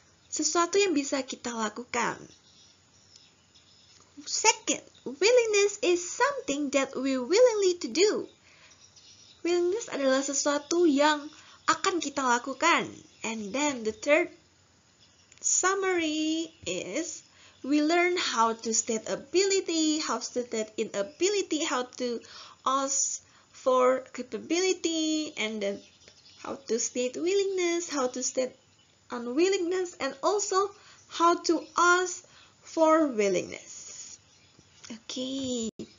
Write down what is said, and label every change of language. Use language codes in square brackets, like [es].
[id] Sesuatu yang bisa kita lakukan. [en] Second, willingness is something that we willingly to do. [id] Willingness adalah sesuatu yang akan kita lakukan. [en] And then the third summary is we learn how to state ability, how to state inability, how to ask for capability, and then how to state willingness, how to state unwillingness, and also how to ask for willingness. Okay.